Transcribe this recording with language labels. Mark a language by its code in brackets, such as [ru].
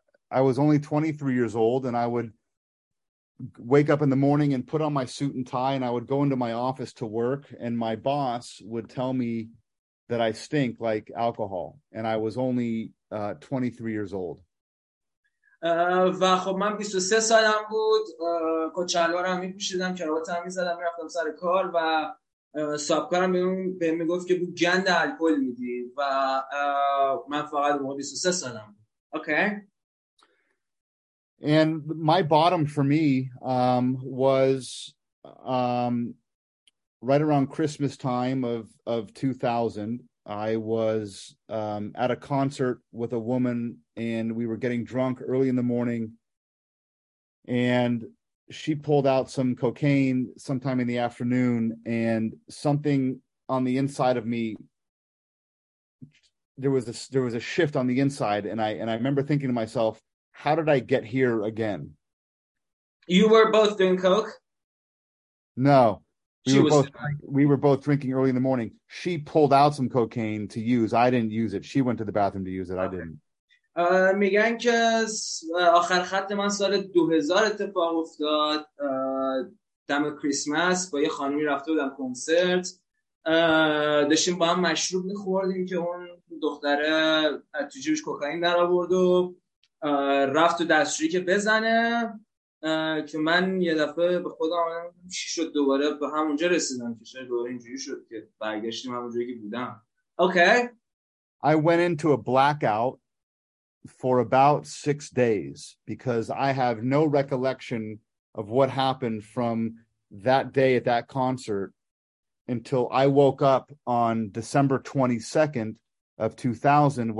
[en] I was only 23 years old and I would wake up in the morning and put on my suit and tie and I would go into my office to work and my boss would tell me that I stink like alcohol and I was only 23 years old. [fa] و خب من 23 سالم بود، کچلوارم میپوشیدم، کراواتم میزدم، میرفتم سر کار و صاحبکارم به من میگفت که بو گند الکل میدی و من فقط موقع 23 سالم بود. [en] Okay. And my bottom for me was right around Christmas time of 2000. I was at a concert with a woman and we were getting drunk early in the morning and she pulled out some cocaine sometime in the afternoon and something on the inside of me, there was a shift on the inside and I remember thinking to myself, how did I get here again? You were both doing coke? No. We were both drinking early in the morning. She pulled out some cocaine to use. I didn't use it. She went to the bathroom to use it. Okay. I didn't. [fa] میگن که آخر خط من سال 2000 اتفاق افتاد. دم کریسمس با یه خانمی رفته بودم کنسرت. داشتیم با هم مشروب می‌خوردیم که اون دختره از تو جیبش کوکائین درآورد و رفت تو دستشویی که بزنه که من یه دفعه به خودم آمدم چی شد دوباره به همونجا رسیدم که شاید دوباره اینجوری شد که برگشتیم همونجایی که بودم. [en] Okay. I went into a blackout for about 6 days because I have no recollection of what happened from that day at that concert until I woke up on December 22nd of 2000.